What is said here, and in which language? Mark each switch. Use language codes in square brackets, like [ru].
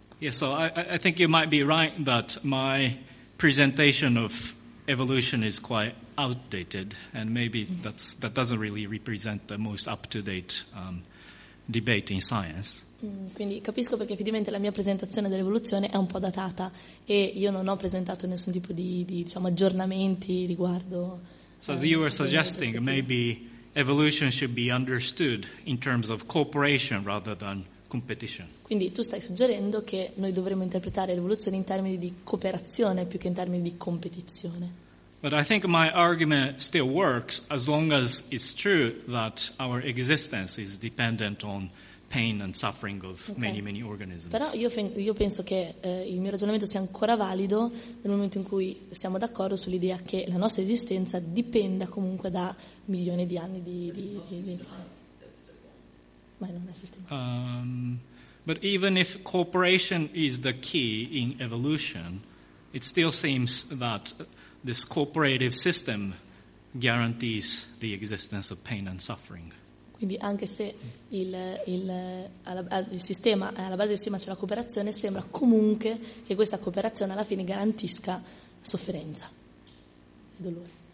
[en] So I think you might be right that my presentation of evolution is quite outdated, and maybe that doesn't really represent the most up-to-date debate in science. [it] Quindi capisco perché effettivamente la mia presentazione dell'evoluzione è un po' datata e io non ho presentato nessun tipo di aggiornamenti riguardo. [en] So as you were suggesting, maybe evolution should be understood in terms of cooperation rather than competition. [it] Quindi tu stai suggerendo che noi dovremmo interpretare l'evoluzione in termini di cooperazione più che in termini di competizione. [en] But I think my argument still works as long as it's true that our existence is dependent on pain and suffering of many organisms. [it] Però io penso che il mio ragionamento sia ancora valido nel momento in cui siamo d'accordo sull'idea che la nostra esistenza dipenda comunque da milioni di anni di ma non è sistema. [en] But even if cooperation is the key in evolution, it still seems that this cooperative system guarantees the existence of pain and suffering. [it] Quindi anche se il sistema è alla base del sistema c'è la cooperazione, sembra comunque che questa cooperazione alla fine garantisca sofferenza e dolore.